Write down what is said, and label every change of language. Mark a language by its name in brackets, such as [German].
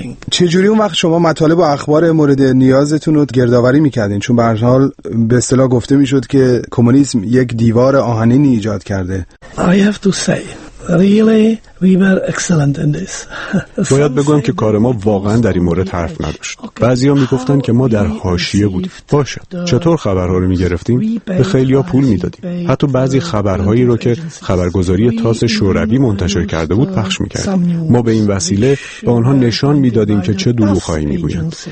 [Persian] چه جوری اون وقت شما مطالب و اخبار مورد نیازتون رو گردآوری میکردین؟ چون به هر حال به اصطلاح گفته میشد که کمونیسم یک دیوار آهنینی ایجاد کرده. [English] I have to say, really, we were excellent in this. [Persian] باید بگم که کار ما واقعا در این مورد حرف نداشت. بعضیا میگفتن که ما در حاشیه بودیم. باشد. چطور خبرها رو میگرفتیم؟ به خیلیا پول میدادیم. حتی بعضی خبرهایی رو که خبرگزاری تاس شوروی منتشر کرده بود پخش میکردیم. ما به این وسیله به آنها نشان میدادیم که چه دروغ‌هایی میگویند.